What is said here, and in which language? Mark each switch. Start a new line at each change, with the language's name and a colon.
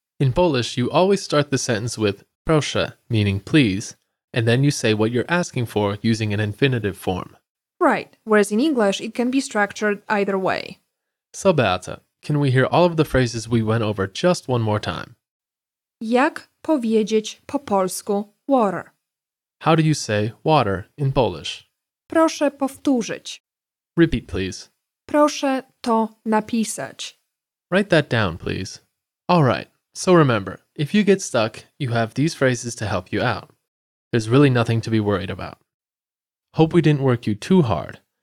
English: In Polish, you always start the sentence with proszę, meaning please, and then you say what you're asking for using an infinitive form. Right, whereas in English, it can be structured either way. So Beata, can we hear all of the phrases we went over just one more time?
Polish: Jak powiedzieć po polsku water?
English: How do you say water in Polish?
Polish: Proszę powtórzyć.
English: Repeat, please.
Polish: Proszę to napisać.
English: Write that down, please. Alright, so remember, if you get stuck, you have these phrases to help you out. There's really nothing to be worried about. Hope we didn't work you too hard.